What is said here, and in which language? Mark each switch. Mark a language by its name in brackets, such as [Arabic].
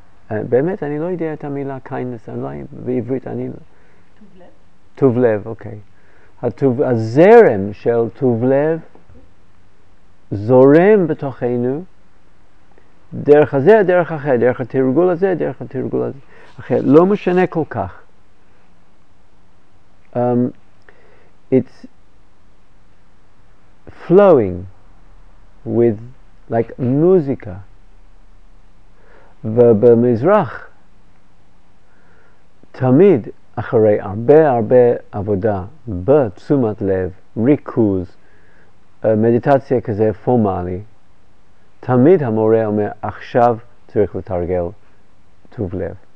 [Hebrew] באמת, אני לא יודע את המילה kindness, אולי בעברית אני... טוב לב, אוקיי. הזרם של טוב לב זורם בתוכנו דרך הזה, דרך אחר, דרך התרגול הזה, דרך התרגול הזה. אחרי, לא משנה כל כך. [English] It's flowing with like musica. [Hebrew] ובמזרח תמיד אחרי הרבה הרבה עבודה בתשומת לב, ריכוז, מדיטציה כזה פורמלי, תמיד המורה אומר, עכשיו צריך לתרגל טוב לב.